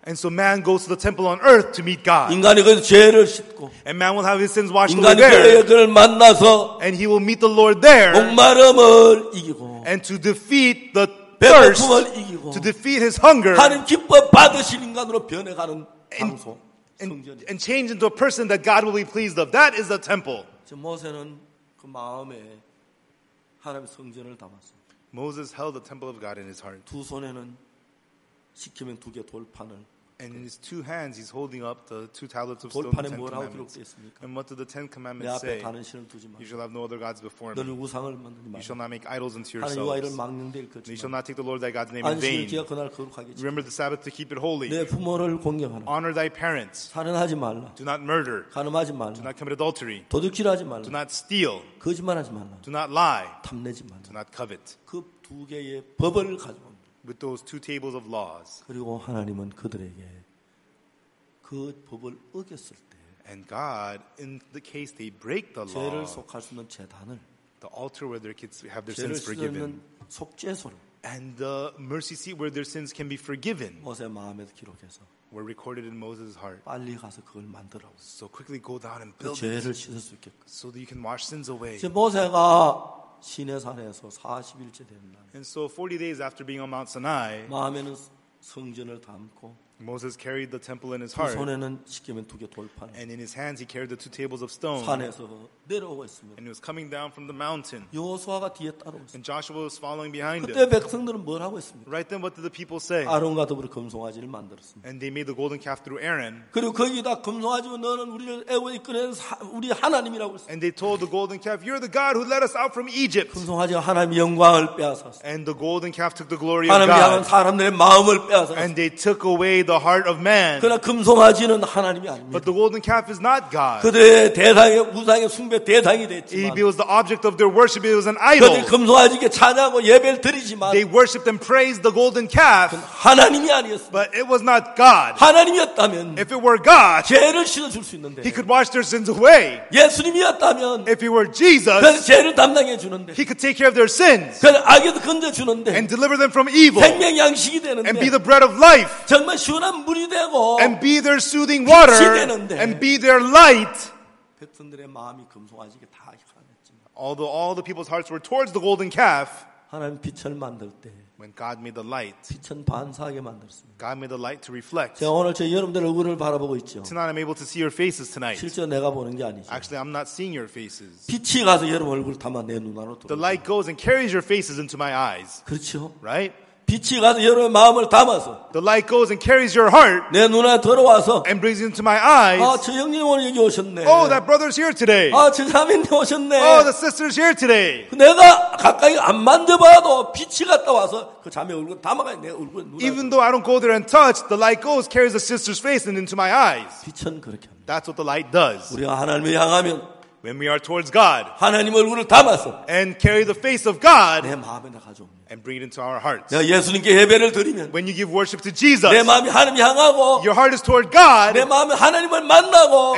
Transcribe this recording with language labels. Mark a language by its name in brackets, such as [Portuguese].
[English] And so man goes to the temple on earth to meet God. [Korean] 인간이 그 죄를 씻고 [English] And man will have his sins washed away there. [Korean] 인간이 그를 만나서 [English] And he will meet the Lord there. [Korean] 목마름을 이기고 [English] And to defeat the thirst. [Korean] 배고픔을 이기고 [English] To defeat his hunger. [Korean] 하나님 기뻐 받으신 인간으로 변해가는 장소. [English] And change into a person that God will be pleased of. That is the temple. [Korean] 지금 모세는 그 마음에 하나님 성전을 담았어. [English] Moses held the temple of God in his heart. [Korean] 두 손에는 시키면 두 개 돌판을 [English] And in his two hands he's holding up the two tablets of stone. [Korean] 돌판에 뭐라고 기록되었습니까? [English] And what do the Ten Commandments say? [Korean] 내 앞에 다른 신을 두지 마. [English] You shall have no other gods before me. [Korean] 너는 우상을 만들지 마. [English] You shall not make idols unto yourselves. You shall not take the Lord thy God's name in vain. [Korean] 안식일 그날 거룩하게. [English] Remember the Sabbath to keep it holy. [Korean] 내 부모를 공경하라. [English] Honor thy parents. [Korean] 살인하지 말라. [English] Do not murder. [Korean] 간음하지 말라. [English] Do not commit adultery. [Korean] 도둑질하지 말라. [English] Do not steal. [Korean] 거짓말하지 말라. [English] Do not lie. [Korean] 탐내지 말라. [English] Do not covet. [Korean] 그 두 개의 법을 가지고. [English] With those two tables of laws. [Korean] 그리고 하나님은 그들에게 그 법을 어겼을 때, [English] and God, in the case they break the law, [Korean] 죄를 속할 수 있는 제단을, [English] the altar where their kids have their sins forgiven, [Korean] 속죄소를, [English] and the mercy seat where their sins can be forgiven, [Korean] 모세 마음에 기록해서, [English] were recorded in Moses' heart. [Korean] 빨리 가서 그걸 만들어. [English] So quickly go down and build [Korean] 그 죄를 씻을 수 있게. [English] So that you can wash sins away. [Korean] 지금 모세가 시내산에서 40일째 된 날 [English] And so 40 days after being on Mount Sinai [Korean] 마음에는 성전을 담고 [English] Moses carried the temple in his heart. [Korean] 손에는 십계명 두 개 돌판. [English] And in his hands he carried the two tables of stone. [Korean] 산에서 내려오고 있습니다. [English] And he was coming down from the mountain. [Korean] 여호수아가 뒤에 따라오고 있어요. [English] And Joshua was following behind him. [Korean] 그때 백성들은 뭘 하고 있습니다? [English] Right then, what did the people say? [Korean] 아론과 더불어 금송아지를 만들었습니다. [English] And they made the golden calf through Aaron. [Korean] 그리고 거기다 금송아지면 너는 우리를 애굽에 끌어낸 우리 하나님이라고 했어요. [English] And they told the golden calf, "You're the God who led us out from Egypt." [Korean] 금송아지가 하나님의 영광을 빼앗았어요. [English] And the golden calf took the glory of God. [Korean] 하나님의 영광 사람들의 마음을 빼앗았어요. [English] And they took away the heart of man. [Korean] 그러나 금송아지는 하나님이 아닙니다. [English] But the golden calf is not God. [Korean] 그들의 대상의 우상의 숭배 대상이 됐지만. [English] He was the object of their worship. It was an idol. [Korean] 그들 금송아지에게 찬양하고 예배를 드리지만. [English] They worshipped and praised the golden calf. [Korean] 하나님이 아니었어. [English] But it was not God. [Korean] 하나님이었다면. [English] If it were God, [Korean] 죄를 씻을 수 있는데. [English] He could wash their sins away. [Korean] 예수님이었다면. [English] If he were Jesus, [Korean] 그 죄를 담당해 주는데. [English] He could take care of their sins. [Korean] 그 악에서 건져 주는데. [English] And deliver them from evil. [Korean] 생명 양식이 되는데. [English] And be the bread of life. [Korean] 정말 쉬운 물이 되고 [English] and be their soothing water and be their light. [Korean] 백성들의 마음이 금송아지에게 다 향했지만 [English] although all the people's hearts were towards the golden calf [Korean] 하나님 빛을 만들 때 [English] when God made the light [Korean] 빛은 반사하게 만들었습니다. [English] God made the light to reflect. [Korean] 제가 오늘 저 여러분들 얼굴을 바라보고 있죠. [English] Tonight I'm able to see your faces tonight. [Korean] 실제로 내가 보는 게 아니죠. [English] Actually I'm not seeing your faces. [Korean] 빛이 가서 여러분 얼굴을 담아 내 눈으로 들어오고 [English] the light goes and carries your faces into my eyes. [Korean] 그렇죠? [English] Right? [Korean] 빛이 가서 여러분의 마음을 담아서 [English] The light goes and carries your heart [Korean] 내 눈에 들어와서 [English] and brings into my eyes [Korean] 아, 저 형님 오늘 여기 오셨네 [English] Oh, that brother's here today [Korean] 아, 저 사민이 오셨네 [English] Oh, the sister's here today [Korean] 내가 가까이 안 만져봐도 빛이 갔다 와서 그 자매 얼굴 담아가야 내 얼굴에 눈에 [English] Even though I don't go there and touch the light goes, carries the sister's face and into my eyes [Korean] 빛은 그렇게 합니다 [English] That's what the light does [Korean] 우리가 하나님을 향하면 [English] When we are towards God, [Korean] 하나님 얼굴을 담아서 [English] and carry the face of God, [Korean] 내 마음에 가져옵니다. [English] And bring it into our hearts. [Korean] 내가 예수님께 예배를 드리면, [English] when you give worship to Jesus, [Korean] 내 마음이 하나님 향하고, [English] your heart is toward God, [Korean] 내 마음이 하나님을 만나고,